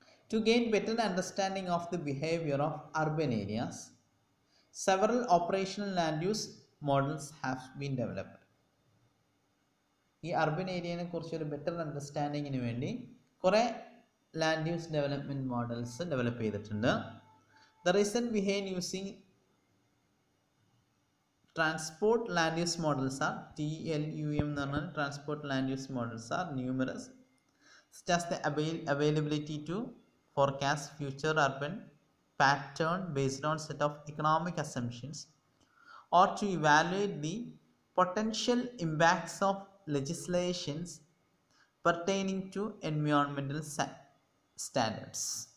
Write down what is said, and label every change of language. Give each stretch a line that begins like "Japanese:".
English: To gain better understanding of the behaviour of urban areas several operational land use models have been developed.
Malayalam: ഈ urban ഏരിയനെ കുറിച്ചൊരു better അണ്ടർസ്റ്റാൻഡിങ്ങിന് വേണ്ടി കുറേ
English: land use development models develop ചെയ്തിട്ടുണ്ട്. The reason behind using transport land use models are TLUM
Malayalam: എന്ന് പറഞ്ഞാൽ
English: Transport land use models are numerous just the availability to forecast future urban pattern based on set of economic assumptions or to evaluate the potential impacts of legislations pertaining to environmental standards.